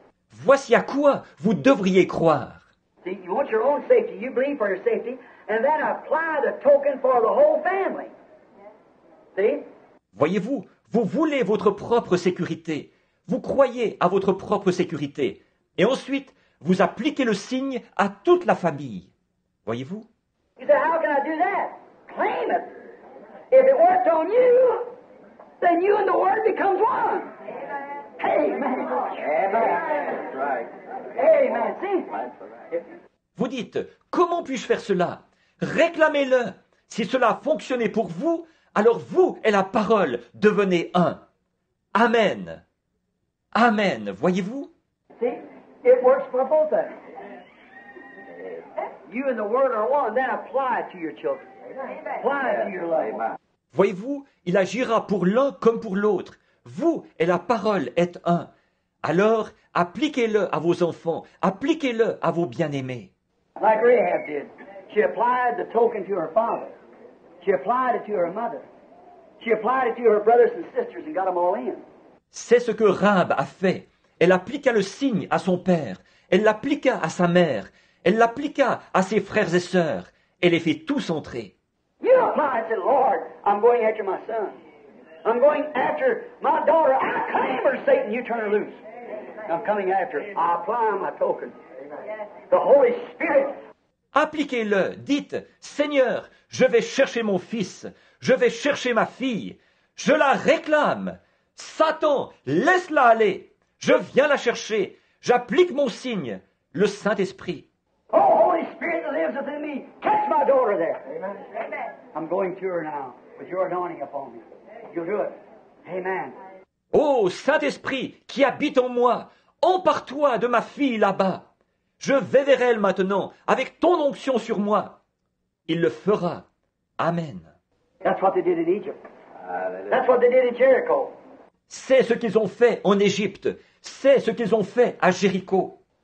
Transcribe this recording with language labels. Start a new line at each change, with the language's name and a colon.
French: Voici à quoi vous devriez croire.
English: See, you want your own safety, you believe for your safety, and then apply the token for the whole family. See?
French: Voyez-vous, vous voulez votre propre sécurité. Vous croyez à votre propre sécurité. Et ensuite, vous appliquez le signe à toute la famille. Voyez-vous?
English: You say, how can I do that? Claim it. If it worked on you, then you and the Word becomes one. Amen. Amen. That's right. Amen. See?
French: Vous dites, comment puis-je faire cela? Réclamez-le. Si cela a fonctionné pour vous, alors vous et la parole devenez un. Amen. Amen. Voyez-vous?
English: See? It works for both of them. You and the Word are one. Then apply it to your children. Apply it to your life. Amen.
French: Voyez-vous, il agira pour l'un comme pour l'autre. Vous et la parole êtes un. Alors, appliquez-le à vos enfants. Appliquez-le à vos bien-aimés.
English: Like Rahab did. She applied the token to her father. She applied it to her mother. She applied it to her brothers and sisters and got them all in.
French: C'est ce que Rahab a fait. Elle appliqua le signe à son père. Elle l'appliqua à sa mère. Elle l'appliqua à ses frères et sœurs. Elle les fait tous entrer.
English: You know, I said, Lord, I'm going after my son. I'm going after my daughter. I claim her, Satan, you turn her loose. I'm coming after her. I apply my token. The Holy Spirit.
French: Appliquez-le. Dites, Seigneur, je vais chercher mon fils. Je vais chercher ma fille. Je la réclame. Satan, laisse-la aller. Je viens la chercher. J'applique mon signe, le Saint-Esprit.
English: Oh, Holy Spirit that lives within me. Catch my daughter there. Amen. I'm going to her now with your anointing upon me. You'll do it. Amen.
French: Oh, Saint-Esprit qui habite en moi, empare-toi de ma fille là-bas. Je vais vers elle maintenant avec ton onction sur moi. Il le fera. Amen.
English: That's what they did in Egypt. That's what they did in Jericho.
French: C'est ce qu'ils ont fait en Égypte. C'est ce qu'ils ont fait à Jéricho.